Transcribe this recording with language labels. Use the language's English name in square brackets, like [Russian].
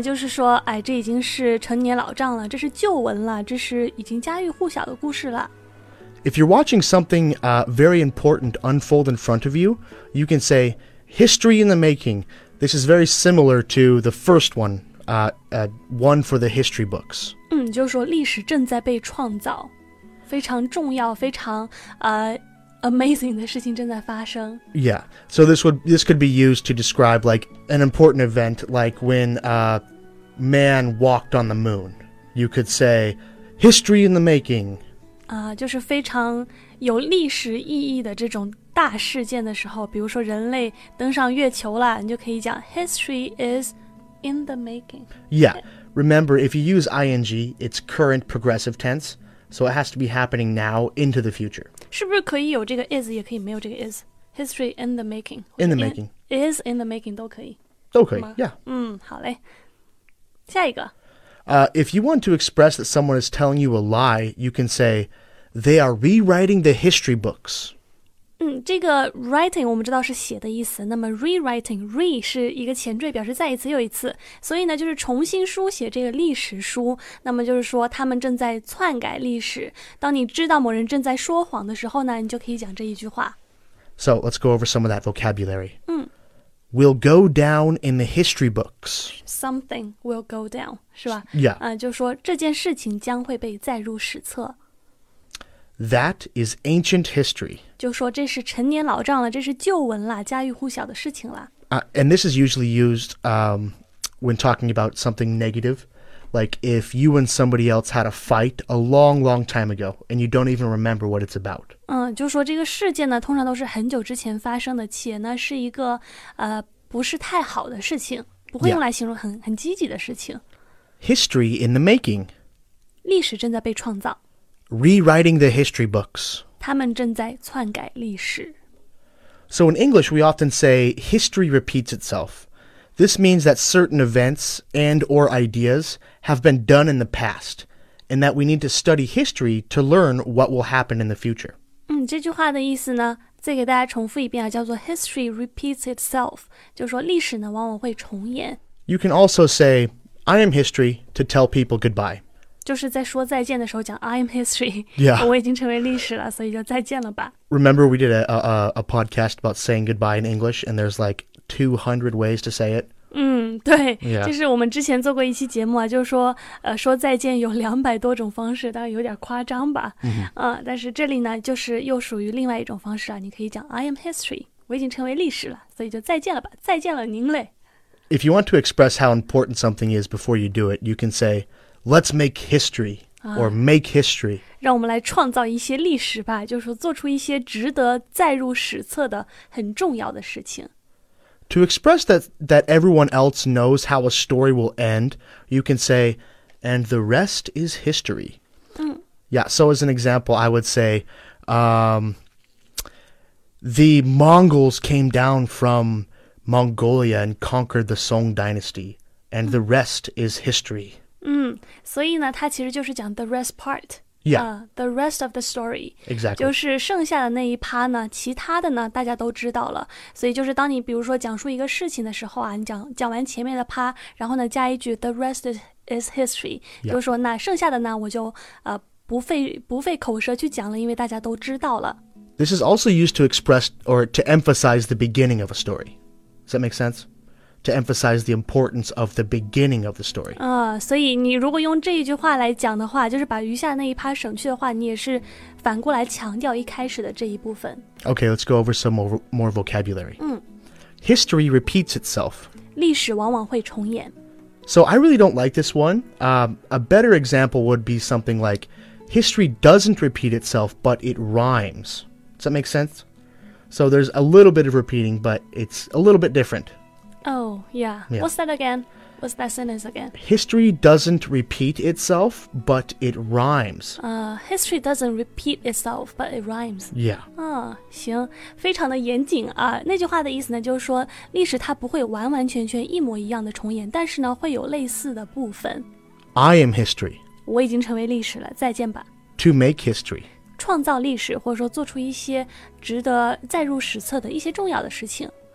[Chinese] 就是说哎这已经是陈年老账了这是旧闻了这是已经家喻户晓的故事了。 [English] If you're watching something、very important unfold in front of you, you can say, history in the making,This is very similar to the first one, one for the history books. [Chinese] 就是说历史正在被创造，非常重要，非常amazing 的事情正在发生。 [English] Yeah, so this could be used to describe like an important event, like when a man walked on the moon. You could say, history in the making. [Chinese] 就是非常有历史意义的这种。大事件的时候比如说人类登上月球了你就可以讲 [English] history is in the making yeah remember if you use ing it's current progressive tense so it has to be happening now into the future [Chinese] 是不是可以有这个 is 也可以没有这个 is [English] history in the making in the making is in the making [Chinese] 都可以都可以 yeah 好嘞下一个 [English] if you want to express that someone is telling you a lie you can say they are rewriting the history books [Chinese] 这个 writing 我们知道是写的意思那么 rewriting re 是一个前缀表示再一次又一次所以呢就是重新书写这个历史书那么就是说他们正在篡改历史当你知道某人正在说谎的时候呢你就可以讲这一句话 [English] So let's go over some of that vocabulary Will go down in the history books Something will go down [Chinese] 是吧 [English] Yeah、 [Chinese] 就是说这件事情将会被载入史册 [English] That is ancient history. [Chinese] 就说这是陈年老账了，这是旧闻了，家喻户晓的事情了。 [English] And this is usually used when talking about something negative. Like if you and somebody else had a fight a long, long time ago, and you don't even remember what it's about. [Chinese] 就说这个事件呢，通常都是很久之前发生的，且呢是一个不是太好的事情，不会用来形容很积极的事情。 [English] History in the making. [Chinese] 历史正在被创造。 [English] Rewriting the history books. [Chinese] 他们正在篡改历史。 [English] So in English, we often say history repeats itself. This means that certain events and or ideas have been done in the past, and that we need to study history to learn what will happen in the future. [Chinese] 这句话的意思呢，再给大家重复一遍啊，叫做 [English] history repeats itself. [Chinese] 就是说历史呢，往往会重演。 [English] You can also say, I am history to tell people goodbye. [Chinese] 就是在说再见的时候讲 [English] I'm history、 yeah. [Chinese] 我已经成为历史了所以就再见了吧 [English] Remember we did a podcast about saying goodbye in English and there's like 200 ways to say it [Chinese] 对、 [English] yeah. [Chinese] 就是我们之前做过一期节目啊，就是说、说再见有200多种方式当然有点夸张吧、 mm-hmm. 但是这里呢就是又属于另外一种方式啊，你可以讲 [English] I'm history [Chinese] 我已经成为历史了所以就再见了吧再见了您嘞 [English] If you want to express how important something is before you do it you can sayLet's make history. or make history. [Chinese] 让我们来创造一些历史吧，就是说做出一些值得载入史册的很重要的事情。 [English] To express that everyone else knows how a story will end, you can say, and the rest is history. Yeah, so as an example, I would say, the Mongols came down from Mongolia and conquered the Song Dynasty, and the rest is history. [Chinese] 所以呢，它其实就是讲 [English] the rest part. Yeah. The rest of the story. Exactly. [Chinese] 就是剩下的那一趴呢，其他的呢，大家都知道了。所以就是当你比如说讲述一个事情的时候啊，你讲完前面的趴，然后呢加一句 [English] the rest is history. [Chinese] 就是说那剩下的呢，我就不费口舌去讲了，因为大家都知道了。 [English] This is also used to express or to emphasize the beginning of a story. Does that make sense? To emphasize the importance of the beginning of the story. [Chinese] 所以你如果用这一句话来讲的话，就是把余下那一趴省去的话，你也是反过来强调一开始的这一部分。 [English] Okay, let's go over some more vocabulary. History repeats itself. [Chinese] 历史往往会重演。 [English] So I really don't like this one. A better example would be something like,History doesn't repeat itself, but it rhymes. Does that make sense? So there's a little bit of repeating, but it's a little bit different. Oh, yeah. Yeah. What's that again? What's that sentence again? History doesn't repeat itself, but it rhymes. History doesn't repeat itself, but it rhymes. Yeah. [Chinese] 行，非常的严谨啊。那句话的意思呢，就是说历史它不会完完全全一模一样的重演，但是呢，会有类似的部分。 [English] I am history. [Chinese] 我已经成为历史了，再见吧。 [English] To make history. [Chinese] 创造历史，或者说做出一些值得载入史册的一些重要的事情。